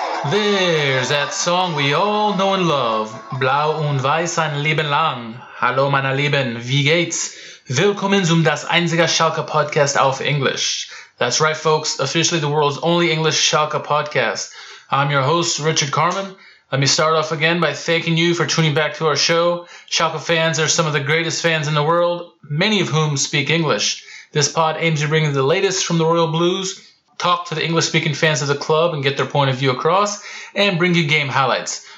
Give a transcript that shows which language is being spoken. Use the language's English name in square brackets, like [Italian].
[English] There's that song we all know and love. [German] Blau und Weiß ein Leben lang. Hallo meine Lieben, wie geht's? Willkommen zum das einzige Schalke Podcast auf Englisch. [English] That's right folks, officially the world's only English Schalke Podcast. I'm your host, Richard Carmen. Let me start off again by thanking you for tuning back to our show. Schalke fans are some of the greatest fans in the world, many of whom speak English. This pod aims to bring you the latest from the Royal Blues, talk to the English-speaking fans of the club and get their point of view across, and bring you game highlights.